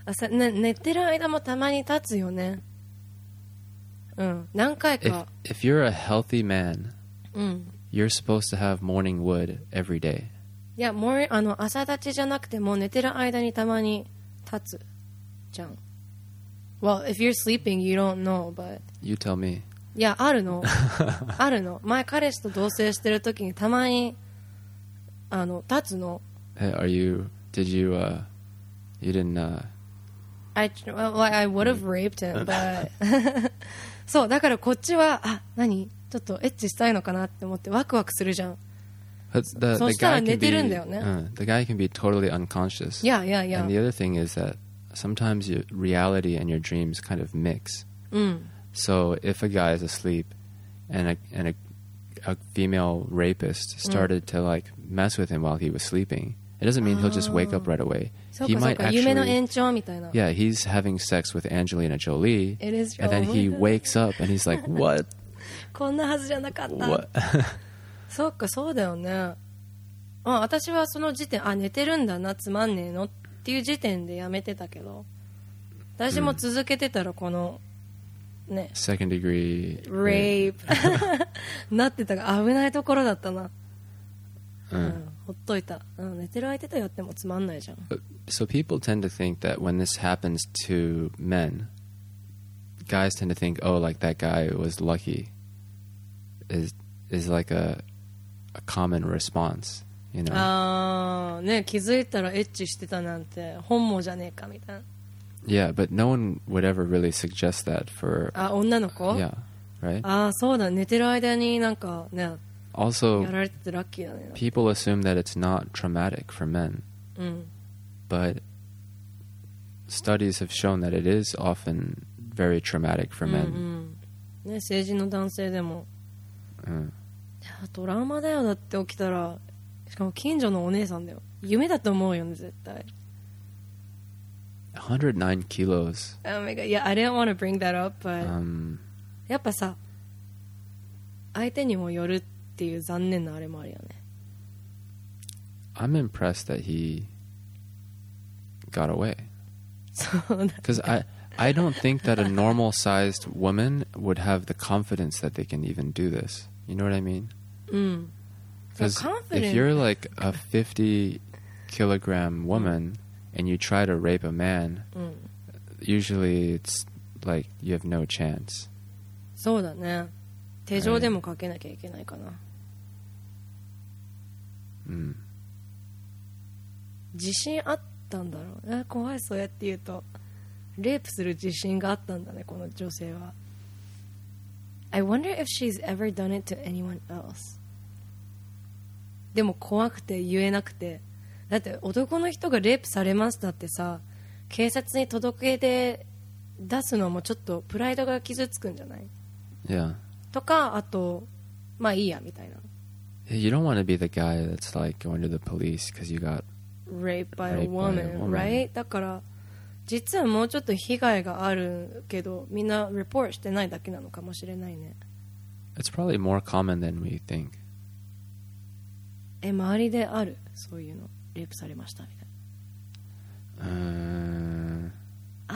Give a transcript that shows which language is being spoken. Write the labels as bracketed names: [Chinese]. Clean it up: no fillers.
[Japanese] 寝てる間もたまに立つよね。何回か。 [English] If you're a healthy man, you're supposed to have morning wood every day. [Japanese] いや、朝立ちじゃなくても寝てる間にたまに立つじゃん。 [English] Well, if you're sleeping, you don't know, but. You tell me. [Japanese] いや、あるの。あるの。前彼氏と同棲してる時にたまに立つの。 [English] Hey, are you? Did you? You didn't. I would have raped him, but [Japanese] そうだからこっちはあ何ちょっとエッチしたいのかなって思ってワクワクするじゃん。そしたら寝てるんだよね。 [English] The guy can be totally unconscious. Yeah, yeah, yeah. And the other thing is that sometimes your reality and your dreams kind of mix. So if a guy is asleep and a female rapist started to like mess with him while he was sleeping, it doesn't mean he'll just wake up right away. He might actually, [Japanese] 夢の延長みたいな。 [English] Yeah, he's having sex with Angelina Jolie. It is and then he wakes up and he's like, what? [Japanese] こんなはずじゃなかった。 [English] What? [Japanese] そっか、そうだよね。私はその時点、寝てるんだな、つまんねえのっていう時点でやめてたけど。私も続けてたらこの、ね。 [English] Second degree. Rape. [Japanese] なってたが危ないところだったな。ほっといた。寝てる相手とやってもつまんないじゃん。 [English] So people tend to think that when this happens to men, guys tend to think, oh, like that guy was lucky, is like a common response. you know. [Japanese] ね、気づいたらエッチしてたなんて本望じゃねえかみたいな。 [English] Yeah, but no one would ever really suggest that for. [Japanese] あ、女の子？ [English] Yeah, right. [Japanese] あ、そうだ。寝てる間になんかね。 [English] Also, [Japanese] やられててラッキーだね。 [English] People assume that it's not traumatic for men. [Japanese] うん。 [English] But studies have shown that it is often very traumatic for men. [Japanese] うんうん。ね、成人の男性でも。うん。ドラマだよ。だって起きたら、しかも近所のお姉さんだよ。夢だと思うよね、絶対。 [English] 109 kilos. Oh my god. Yeah, I didn't want to bring that up, but. [Japanese] やっぱさ、相手にもよるっていう残念なあれもあるよね。 [English] I'm impressed that he got away. [Japanese] そうだ。 [English] Because I don't think that a normal sized woman would have the confidence that they can even do this. You know what I mean? [Japanese] うん。 [English] Because if you're like a 50 kilogram woman. And you try to rape a man, usually it's like you have no chance. [Japanese] そうだね。手錠でもかけなきゃいけないかな。自信あったんだろう。怖い、そうやって言うと。レイプする自信があったんだね、この女性は。 [English] I wonder if she's ever done it to anyone else. [Japanese] でも怖くて言えなくて。だって男の人がレイプされますだってさ、警察に届け出出すのもちょっとプライドが傷つくんじゃない？ [English] Yeah. [Japanese] とか、あと、まあいいやみたいな。 [English] You don't want to be the guy that's like going to the police because you got raped by a woman, right? [Japanese] だから、実はもうちょっと被害があるけど、みんなレポートしてないだけなのかもしれないね。 [English] It's probably more common than we think. [Japanese] 周りである、そういうの。レイプされましたみたいな。